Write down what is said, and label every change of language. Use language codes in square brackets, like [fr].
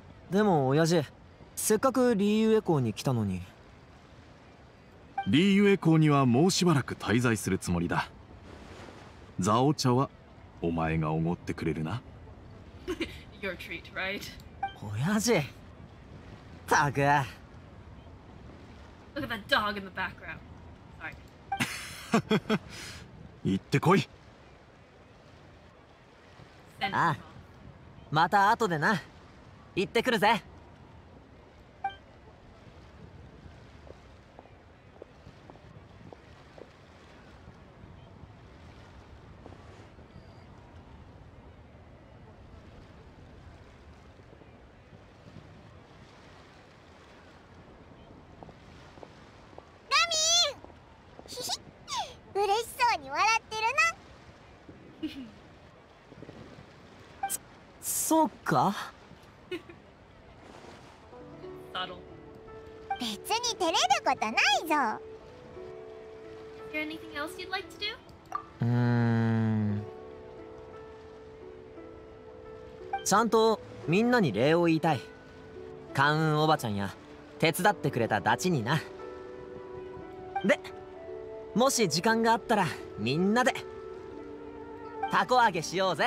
[ja] でも親父、せっかくリーユエコーに来たのに。リーユエコーにはもうしばらく滞在するつもりだ。ザオ茶はお前がおごってくれるな。 [en] Your treat, right? [ja] 親父、ったく。 [en] Look at that dog in the background. Sorry. [ja] 行ってこい。ああ、また後でな。行ってくるぜ。ラミン、嬉しそうに笑ってるな。そうか。別に照れることないぞ。 [en] Is there anything else you'd like to do? [ja] ちゃんとみんなに礼を言いたい。カウンおばちゃんや手伝ってくれたダチにな。で、もし時間があったらみんなでタコ揚げしようぜ。